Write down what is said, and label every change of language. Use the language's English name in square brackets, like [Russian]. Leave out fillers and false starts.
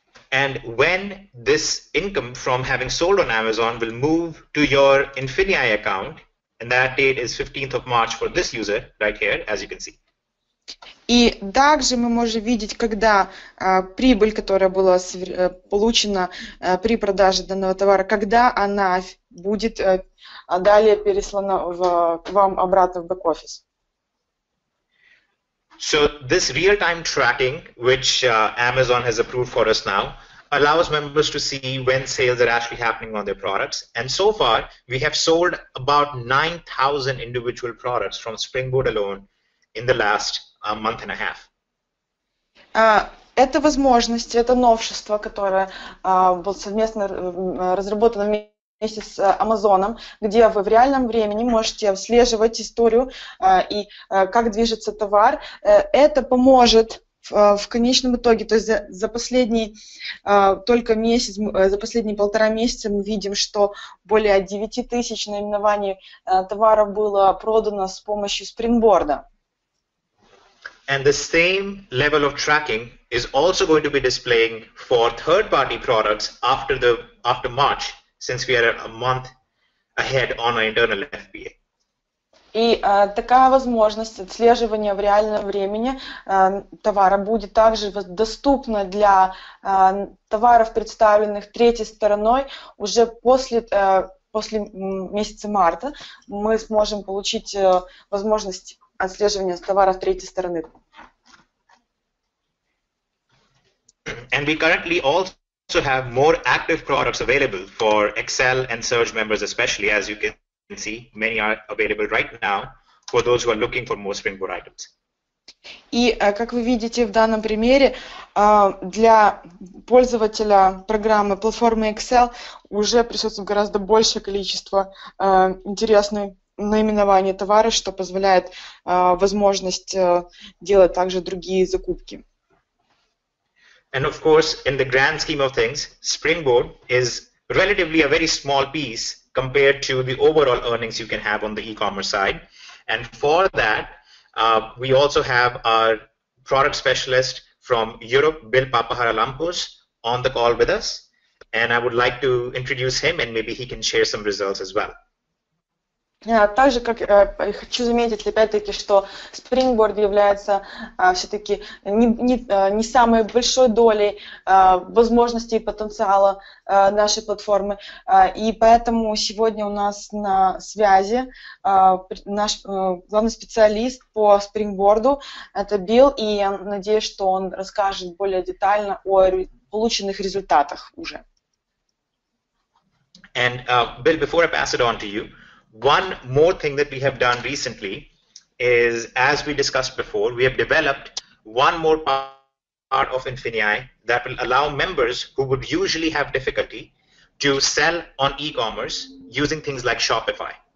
[English] And when this income from having sold on Amazon will move to your Infinii account. And that date is 15th of March for this user right here, as you can see. [Russian] И также мы можем видеть, когда прибыль, которая была получена при продаже данного товара, когда она будет далее переслана вам обратно в бэк-офис. [English] So this real-time tracking, which Amazon has approved for us now, allows members to see when sales are actually happening on their products. And so far, we have sold about 9,000 individual products from Springboard alone in the last month and a half. [Russian] Это возможность, это новшество, которое было совместно разработано вместе с Амазоном, где вы в реальном времени можете отслеживать историю и как движется товар. Это поможет в конечном итоге, то есть за последний только месяц, за последние полтора месяца мы видим, что более 9000 наименований товара было продано с помощью Springboard. [English] And the same level of tracking is also going to be displaying for third-party products after March, since we are a month ahead on our internal FBA. [Russian] И такая возможность отслеживания в реальном времени товара будет также доступна для товаров, представленных третьей стороной, уже после месяца марта мы сможем получить возможность отслеживания товаров третьей стороны. [English] And we currently also have more active products available for Excel and Surge members especially, as you can see, many are available right now for those who are looking for more Springboard items. [Russian] И как вы видите в данном примере, для пользователя программы платформы Excel уже присутствует гораздо большее количество интересных наименований товара, что позволяет возможность делать также другие закупки. [English] And of course, in the grand scheme of things, Springboard is relatively a very small piece compared to the overall earnings you can have on the e-commerce side. And for that, we also have our product specialist from Europe, Bill Papaharalampos, on the call with us. And I would like to introduce him, and maybe he can share some results as well. [Russian] Также как хочу заметить, опять-таки, что Springboard является все-таки не самой большой долей возможностей и потенциала нашей платформы. И поэтому сегодня у нас на связи наш главный специалист по Springboard, это Билл, и я надеюсь, что он расскажет более детально о полученных результатах уже. [English] And Bill, before I pass it on to you, one more thing that we have done recently is, as we discussed before, we have developed one more part of Infinii that will allow members who would usually have difficulty to sell on e-commerce using things like Shopify.